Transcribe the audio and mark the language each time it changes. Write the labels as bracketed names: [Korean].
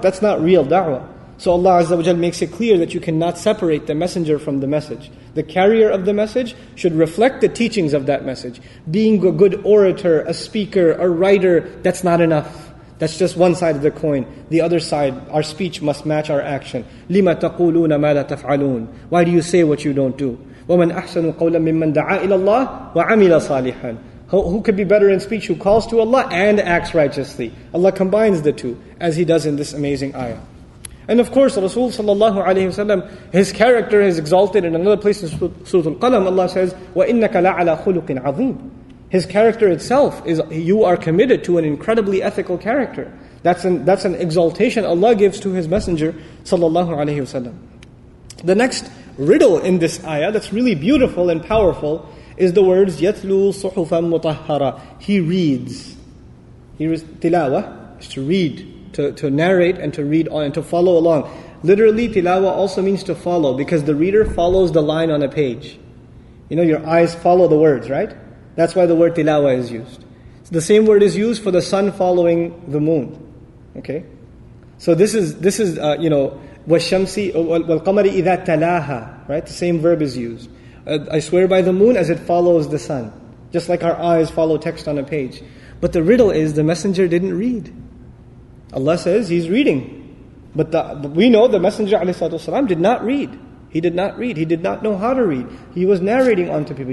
[English] That's not real da'wah. So Allah Azza wa Jal makes it clear that you cannot separate the messenger from the message. The carrier of the message should reflect the teachings of that message. Being a good orator, a speaker, a writer, that's not enough. That's just one side of the coin. The other side, our speech must match our action. [Arabic] لِمَ تَقُولُونَ مَا لَا تَفْعَلُونَ. [English] Why do you say what you don't do? [Arabic] وَمَنْ أَحْسَنُ قَوْلًا مِمَّنْ دَعَا إِلَى اللَّهِ وَعَمِلَ صَالِحًا. [English] Who could be better in speech? Who calls to Allah and acts righteously? Allah combines the two, as He does in this amazing ayah. And of course, Rasul sallallahu alayhi wa sallam, his character is exalted in another place in Surah Al-Qalam. Allah says, [Arabic] وَإِنَّكَ لَعَلَى خُلُقٍ عَظِيمٍ. [English] His character itself is, you are committed to an incredibly ethical character. That's an exaltation Allah gives to His Messenger sallallahu alayhi wa sallam. The next riddle in this ayah that's really beautiful and powerful is the words, [Arabic] يَتْلُو صُحُفًا مُطَهَّرًا. [English] He reads. Here is tilawa, is to read. To narrate and to read on and to follow along. Literally, tilawa also means to follow, because the reader follows the line on a page. You know, your eyes follow the words, right? That's why the word tilawa is used. So the same word is used for the sun following the moon. Okay? So this is [Arabic] وَالشَّمْسِ وَالْقَمَرِ إِذَا تَلَاهَا. [English] Right? The same verb is used. I swear by the moon as it follows the sun. Just like our eyes follow text on a page. But the riddle is, the messenger didn't read. Allah says he's reading. But we know the Messenger ﷺ did not read. He did not read. He did not know how to read. He was narrating onto people.